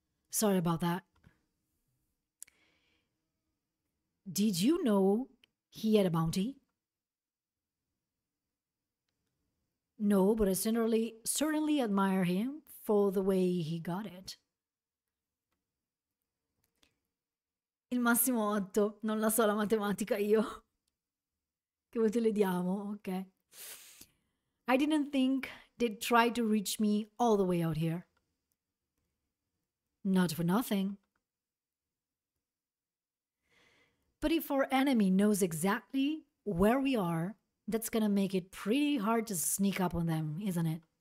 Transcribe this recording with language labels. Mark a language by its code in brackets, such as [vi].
[en] Sorry about that. Did you know he had a bounty? No, but I certainly admire him for the way he got it. [it] Il massimo 8, non la so la matematica io. Che voto le diamo? Ok. [en] I didn't think they'd try to reach me all the way out here. Not for nothing. But if our enemy knows exactly where we are, that's gonna make it pretty hard to sneak up on them, isn't it?